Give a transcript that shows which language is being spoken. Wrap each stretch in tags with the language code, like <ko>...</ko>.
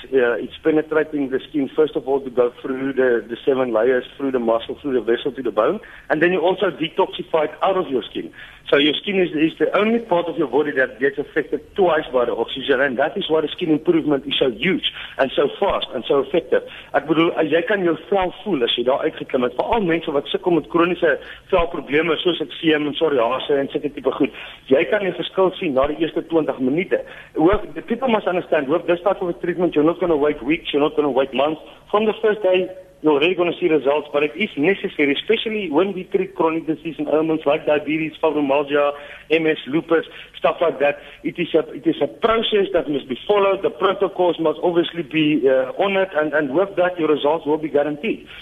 <en>It's penetrating the skin, first of all, to go through the 7 layers, through the muscle, through the vessel to the bone, and then you also detoxify it out of your skin. So your skin is the only part of your body that gets affected twice by the oxygen, and that is why the skin improvement is so huge and so fast and so effective.</en> <af>Ek bedoel, jy kan jou vel voel as jy daar uitgeklim het, vooral mensen wat sukkel met chronische velprobleme, soos eksem en psoriasis en sulke tipe goed. Jy kan die verskil sien na die eerste 20 minute.</af> <en>The people must understand, with this type of a treatment, you're not going to wait weeks, you're not going to wait months. From the first day, you're already going to see results, but it is necessary, especially when we treat chronic disease and ailments like diabetes, fibromyalgia, MS, lupus, stuff like that. It is a process that must be followed. The protocols must obviously be honored, and with that, your results will be guaranteed.</en>